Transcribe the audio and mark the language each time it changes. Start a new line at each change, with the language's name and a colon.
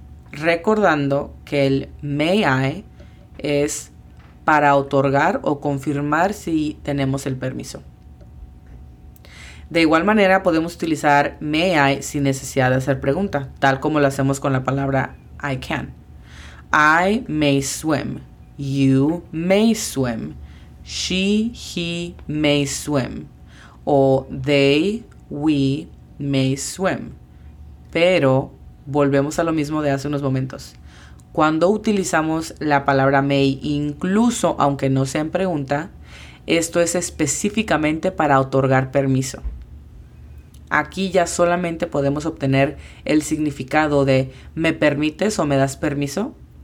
Spanish: Recordando que el may I es para otorgar o confirmar si tenemos el permiso. De igual manera, podemos utilizar may I sin necesidad de hacer pregunta, tal como lo hacemos con la palabra I can.
English: I may swim, you may swim, she, he may swim,
Spanish: o
English: they, we may swim.
Spanish: Pero volvemos a lo mismo de hace unos momentos. Cuando utilizamos la palabra may, incluso aunque no sea en pregunta, esto es específicamente para otorgar permiso. Aquí ya solamente podemos obtener el significado de ¿me permites o me das permiso?